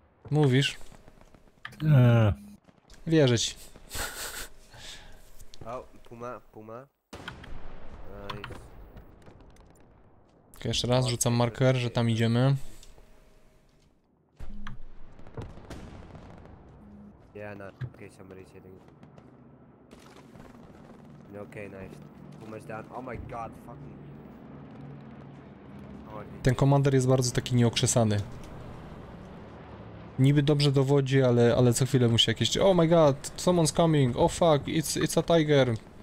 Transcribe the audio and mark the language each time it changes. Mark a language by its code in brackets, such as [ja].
[pl] Mówisz? Wierzę ci. Puma. [en] Nice. [pl] Okay, jeszcze raz rzucam marker, że tam idziemy. [en] Okay, somebody's hitting. Okay, nice. Boomer's down. Oh my god, fucking. [pl] Ten komander jest bardzo taki nieokrzesany. Niby dobrze dowodzi, ale co chwilę musi jakieś... [en] Oh my god, someone's coming, oh fuck, it's a tiger.